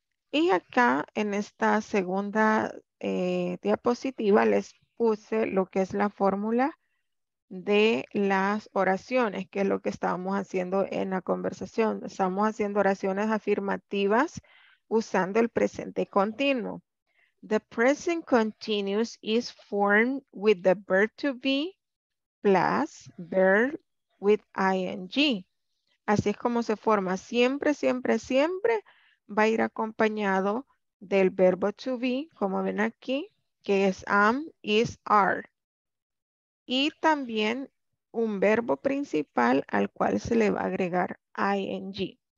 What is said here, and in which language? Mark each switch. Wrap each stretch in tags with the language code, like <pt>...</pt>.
<es>Y acá en esta segunda diapositiva les puse lo que es la fórmula de las oraciones, que es lo que estábamos haciendo en la conversación. Estamos haciendo oraciones afirmativas usando el presente continuo.</es> <en>The present continuous is formed with the verb to be plus verb with ing.</en> <es>Así es como se forma. Siempre, siempre, siempre va a ir acompañado del verbo to be, como ven aquí, que es am, is, are. Y también un verbo principal al cual se le va a agregar ing.</es>